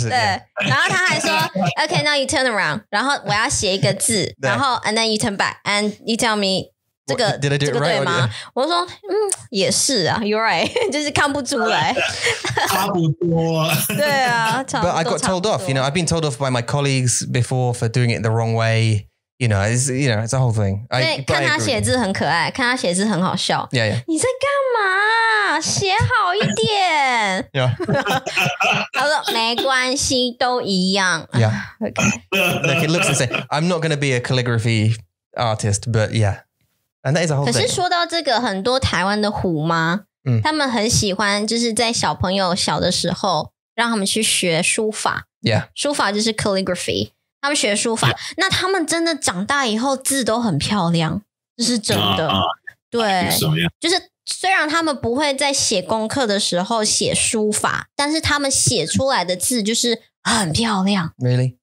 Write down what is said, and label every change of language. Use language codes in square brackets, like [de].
[zh] 然后他还说, [en] okay, now you turn around. [zh] 然后我要写一个字, 然后, [en] and then you turn back. And you tell me, did I do it right? [zh] 我说也是啊, [en] you're right. [zh] 就是看不出来。差不多。 [en] But I got told off, you know, I've been told off by my colleagues before for doing it the wrong way. You know, it's a whole thing. [zh] 看他写字很可爱, 看他写字很好笑。 [en] Yeah. [zh] 你在干嘛?写好一点。 [en] Yeah. [zh] 他说没关系, 都一样。 [en] Yeah. Okay. Look, it looks the same. I'm not going to be a calligraphy artist, but yeah. And that is a whole thing. [zh] 可是说到这个，很多台湾的虎妈，他们很喜欢，就是在小朋友小的时候，让他们去学书法。书法就是 calligraphy。他们学书法，那他们真的长大以后字都很漂亮，这是真的。对，就是虽然他们不会在写功课的时候写书法，但是他们写出来的字就是很漂亮。 [en] Really?